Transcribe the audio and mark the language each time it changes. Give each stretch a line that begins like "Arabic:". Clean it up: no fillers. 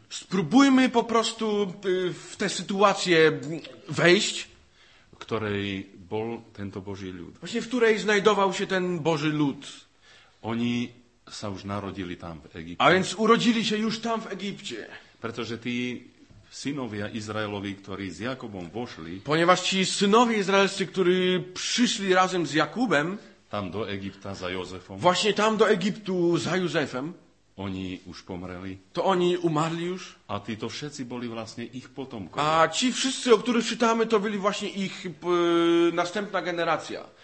Polish: Spróbujmy po prostu w tę sytuację wejść, w której był ten Boży lud. Właśnie w której znajdował się ten Boży lud.
Slovak: Oni sa już narodili tam w Egipcie.
Polish: A więc urodzili się już tam w Egipcie.
Slovak: Pretože tí synovia Izraelovi, ktorí s Jakubom vošli.
Polish: Ponieważ ci synowie izraelscy, którzy przyszli razem z Jakubem tam do Egipta za Józefem. Właśnie tam do Egiptu za Józefem. Oni już pomreli. To oni umarli już. A ty to wszyscy byli właśnie ich potomkowie. A ci wszyscy, o których czytamy, to byli właśnie ich następna generacja.